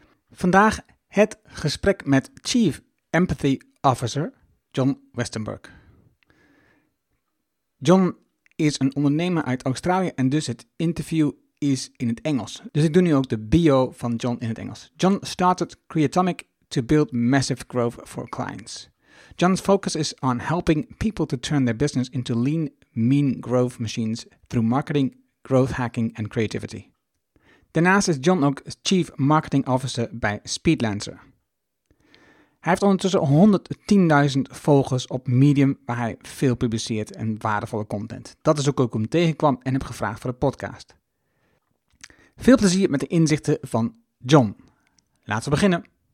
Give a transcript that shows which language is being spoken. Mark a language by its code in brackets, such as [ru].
[nl] Vandaag het gesprek met Chief Empathy Officer John Westenberg. John is een ondernemer uit Australië en dus het interview is in het Engels. Dus ik doe nu ook de bio van John in het Engels. [en] John started Creatomic to build massive growth for clients. John's focus is on helping people to turn their business into lean, mean growth machines through marketing, growth hacking and creativity. [nl] Daarnaast is John ook Chief Marketing Officer bij Speedlancer. Hij heeft ondertussen 110.000 volgers op Medium waar hij veel publiceert en waardevolle content. Dat is ook hoe ik hem tegenkwam en heb gevraagd voor de podcast. Veel plezier met de inzichten van John. Laten we beginnen.